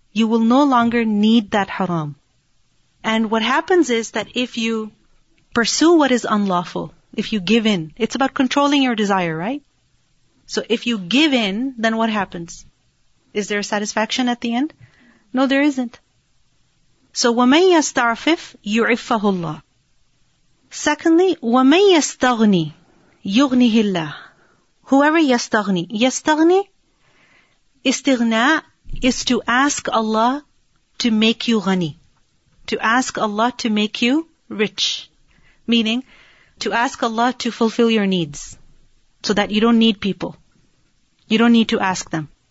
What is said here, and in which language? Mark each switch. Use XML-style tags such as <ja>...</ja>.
<en>You will no longer need that haram. And what happens is that if you pursue what is unlawful, if you give in, it's about controlling your desire, right? So if you give in, then what happens? Is there a satisfaction at the end? No, there isn't.</en> <ar>So وَمَنْ يَسْتَعْفِفْ يُعِفَّهُ اللَّهُ Secondly, وَمَنْ يَسْتَغْنِي يُغْنِهِ اللَّهُ</ar> <en>whoever yastaghni. Yastaghni, istighna, is to ask Allah to make you ghani. To ask Allah to make you rich. Meaning, to ask Allah to fulfill your needs. So that you don't need people. You don't need to ask them.</en>